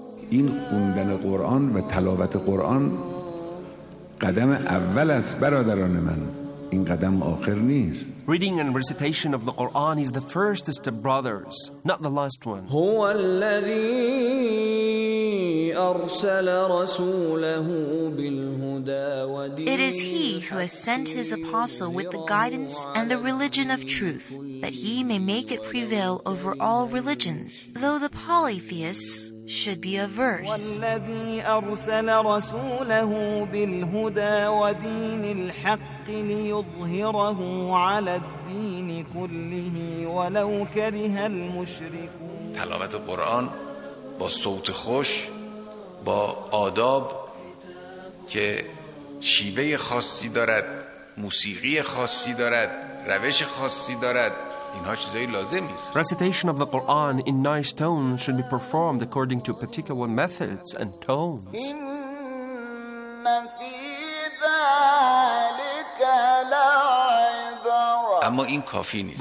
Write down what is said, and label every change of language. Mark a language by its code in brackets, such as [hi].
[fa] این خوندن قرآن و تلاوت قرآن قدم اول است برادران من این قدم آخر نیست [en] Reading and recitation of the Quran is the first step brothers not the last one [ar] هو الذی ارسل رسوله بالهدى و دین [en] It is he who has sent his apostle with the guidance and the religion of truth that he may make it prevail over all religions though the polytheists should be averse. [ar] والذي أرسل رسوله بالهدى ودين الحق ليظهره على الدين كله ولو كره المشركون. [fa] تلاوت قرآن با صوت خوش با آداب که شیوه خاصی دارد موسیقی خاصی دارد روش خاصی دارد [en] Recitation of the Quran in nice tones should be performed according to particular methods and tones.